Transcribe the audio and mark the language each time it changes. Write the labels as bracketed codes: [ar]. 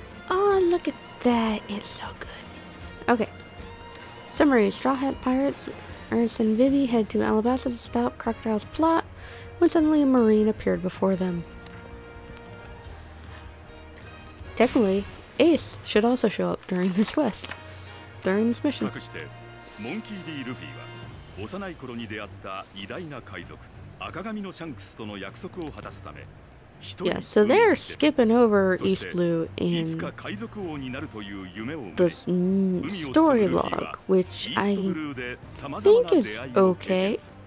[en] Oh, look at that, it's so good. Okay. Summary, Straw Hat Pirates, Ernest and Vivi head to Alabasta to stop Crocodile's plot when suddenly a marine appeared before them. Technically, Ace should also show up during this quest. During this mission. [ja] 隠して、モンキー・ディ・ルフィは幼い頃に出会った偉大な海賊。赤髪のシャンクスとの約束を果たすため、 [en] Yeah, so they're skipping over East Blue in the story log, which I think is okay.